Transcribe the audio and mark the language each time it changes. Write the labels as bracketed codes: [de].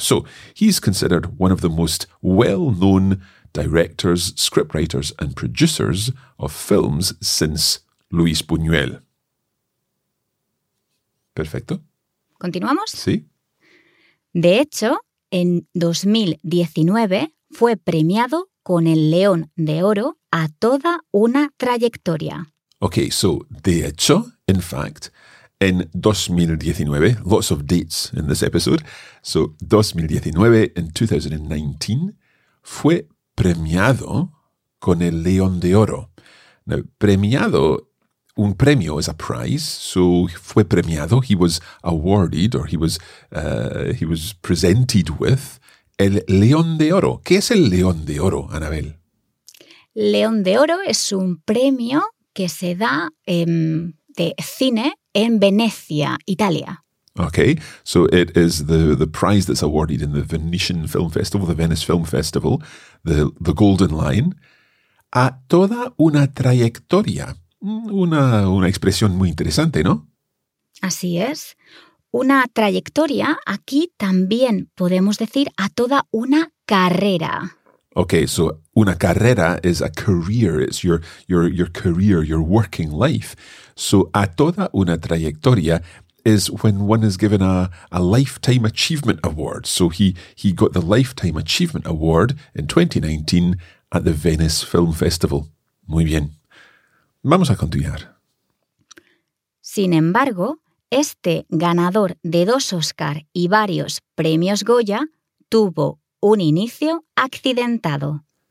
[en] So he's considered one of the most well-known directors, scriptwriters, and producers of films since Luis Buñuel. [es] Perfecto. ¿Continuamos? Sí. De hecho, en 2019 fue premiado con el León de Oro a toda una trayectoria. [en] Okay, so, [es] de hecho, [en] in fact, [es] en 2019, [en] lots of dates in this episode. So, [es] 2019, [en] in 2019, [es] fue premiado con el León de Oro. [en] Now, [es] premiado, un premio [en] is a prize, so [es] fue premiado, [en] he was awarded, or he was presented with [es] el León de Oro. ¿Qué es el León de Oro, Anabel? León de Oro es un premio que se da de cine en Venecia, Italia. [en] Okay, so it is the prize that's awarded in the Venetian Film Festival, the Venice Film Festival, the Golden Lion, [es] a toda una trayectoria. Una expresión muy interesante, ¿no? Así es. Una trayectoria, aquí también podemos decir a toda una carrera. [en] Okay, so [es] una carrera [en] is a career, it's your career, your working life. So [es] a toda una trayectoria [en] is when one is given a Lifetime Achievement Award. So he got the Lifetime Achievement Award in 2019 at the Venice Film Festival. [es] Muy bien. Vamos a continuar. Sin embargo, este ganador de 2 Oscar y varios premios Goya tuvo un inicio accidentado.